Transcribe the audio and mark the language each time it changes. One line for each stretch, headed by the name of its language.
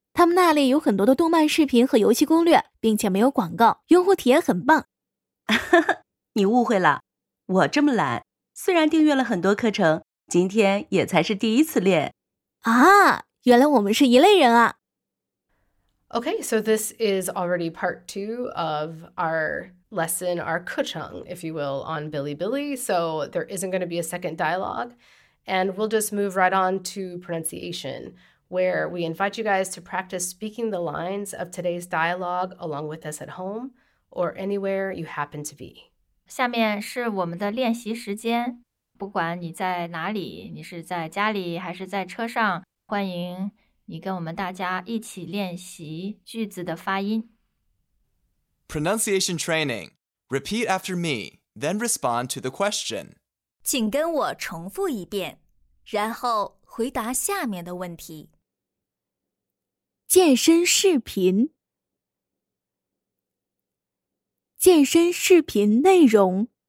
Chinese: 他们那里有很多的动漫视频和游戏攻略，并且没有广告，用户体验很棒。你误会了，我这么懒，虽然订阅了很多课程，今天也才是第一次练。啊，原来我们是一类人啊。
English: Okay, so this is already part two of our lesson, our kucheng, if you will, on Bilibili. So there isn't going to be a second dialogue. And we'll just move right on to pronunciation, where we invite you guys to practice speaking the lines of today's dialogue along with us at home or anywhere you happen to be.
Chinese: 下面是我们的练习时间，不管你在哪里，你是在家里还是在车上，欢迎你跟我们大家一起练习句子的发音。
English: Pronunciation training. Repeat after me, then respond to the question.
Chinese: 请跟我重复一遍，然后回答下面的问题。健身视频。健身视频内容。